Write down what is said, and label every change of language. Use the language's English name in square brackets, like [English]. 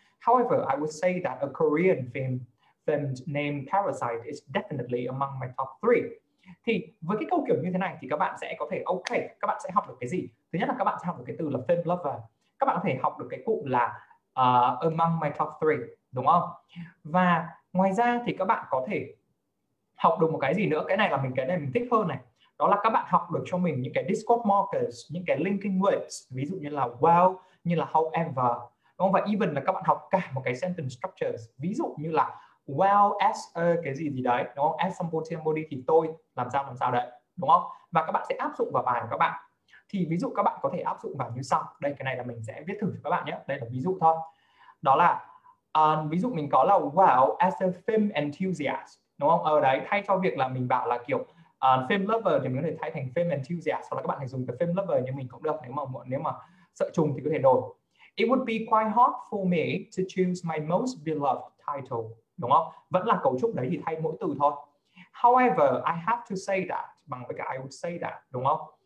[English] However, I would say that a Korean film named Parasite is definitely among my top three. [Vietnamese] Thì với cái câu kiểu như thế này thì các bạn sẽ có thể ok, các bạn sẽ học được cái gì? Thứ nhất là các bạn sẽ học được cái từ là film lover. Các bạn có thể học được cái cụm là among my top three, đúng không? Và ngoài ra thì các bạn có thể học được một cái gì nữa? Cái này mình thích hơn này. Đó là các bạn học được cho mình những cái discourse markers, những cái linking words, ví dụ như là well, như là however, đúng không? Và even là các bạn học cả một cái sentence structures, ví dụ như là well, as a cái gì gì đấy, đúng không? As somebody thì tôi làm sao đấy, đúng không? Và các bạn sẽ áp dụng vào bài của các bạn. Thì ví dụ các bạn có thể áp dụng vào như sau. Đây, cái này là mình sẽ viết thử cho các bạn nhé. Đây là ví dụ thôi. Đó là, ví dụ mình có là [English] well, as a film enthusiast, [Vietnamese] đúng không? Đấy, thay cho việc là mình bảo là kiểu film lover thì mình có thể thay thành film enthusiast, hoặc là các bạn hãy dùng cái film lover như mình cũng được, nếu mà sợ trùng thì có thể đổi. [English] It would be quite hard for me to choose my most beloved title, [Vietnamese] đúng không? Vẫn là cấu trúc đấy thì thay mỗi từ thôi. [English] However, I have to say that, [Vietnamese] bằng với cả [English] I would say that, [Vietnamese] đúng không?